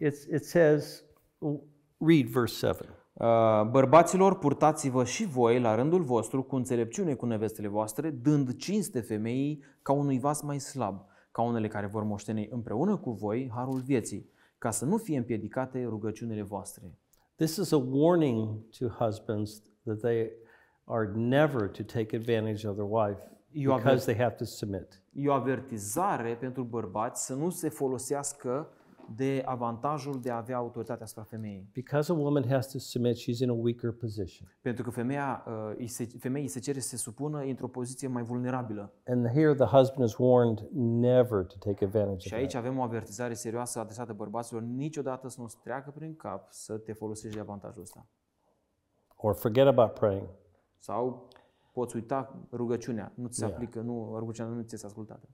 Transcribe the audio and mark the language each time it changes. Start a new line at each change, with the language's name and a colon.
English: It says read verse 7.
Romanian: Bărbaților, purtați-vă și voi la rândul vostru cu înțelepciune cu nevestele voastre, dând cinste femeii ca unui vas mai slab, ca unele care vor moșteni împreună cu voi harul vieții, ca să nu fie împiedicate rugăciunile voastre.
English: This is a warning to husbands that they are never to take advantage of their wife because they have to submit.
Romanian: E o avertizare pentru bărbați să nu se folosească de avantajul de a avea autoritatea asupra femeii.
English: Because a woman has to submit, she's in a weaker position.
Romanian: Pentru că femeia îi se cere să se supună într-o poziție mai vulnerabilă.
English: And here the husband is warned never to take advantage of
Romanian: her. Și aici avem o avertizare serioasă adresată bărbaților, niciodată să nu -ți treacă prin cap să te folosești de avantajul ăsta.
English: Or forget about praying.
Romanian: Sau poți uita rugăciunea, nu ți se aplică, nu rugăciunea nu ți este ascultată.